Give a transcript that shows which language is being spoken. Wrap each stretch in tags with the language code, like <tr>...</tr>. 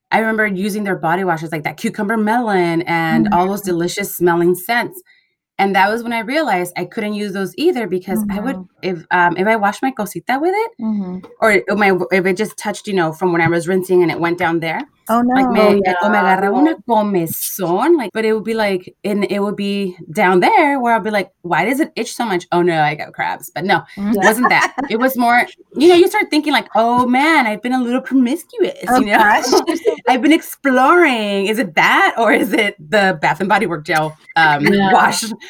<en>I remember using their body washes, like that cucumber melon and all those delicious smelling scents. And that was when I realized I couldn't use those either, because I would, if I wash my cosita with it, or if it just touched, you know, from when I was rinsing and it went down there, Oh, no.</en> <es>Like, me agarra una comezón.</es> <en>Like, but it would be like, and it would be down there where I'll be like, why does it itch so much? Oh, no, I got crabs. But no, yeah. It wasn't that. It was more, you know, you start thinking like, oh, man, I've been a little promiscuous. Oh, you know, gosh. I've been exploring. Is it that or is it the Bath and Body Work gel wash?</en>